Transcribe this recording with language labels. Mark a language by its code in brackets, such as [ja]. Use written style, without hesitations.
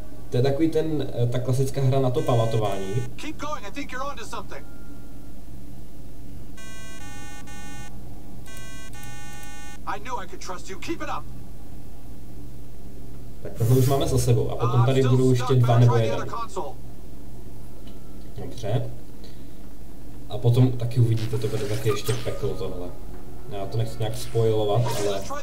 [cs] To je takový ten, ta klasická hra na to pamatování. [en] Keep going, I think you're onto something. I knew I could trust you, keep it up. [cs] Tak tohle už máme za sebou a potom tady budou ještě dva nebo jeden. Dobře. A potom taky uvidíte, to bude taky ještě peklo tohle. Já to nechci nějak spoilovat, ale...